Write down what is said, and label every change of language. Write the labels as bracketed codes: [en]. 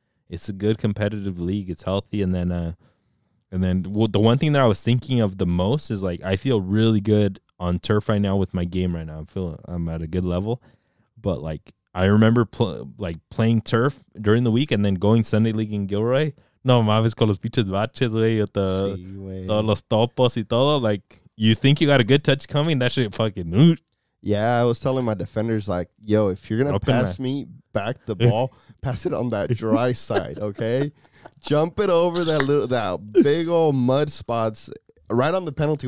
[en] It's a good competitive league. It's healthy. And then, the one thing that I was thinking of the most is, like, I feel really good on turf right now with my game right now. I'm at a good level. But, like, I remember, playing turf during the week and then going Sunday League in Gilroy. [es] No, mames con los pinches baches, güey, todos los topos y todo. [en] Like, you think you got a good touch coming? That shit fucking moot. Yeah, I was telling my defenders, like, yo, if you're going to pass me back the ball, pass it on that dry side, okay? Jump it over that big old mud spots right on the penalty.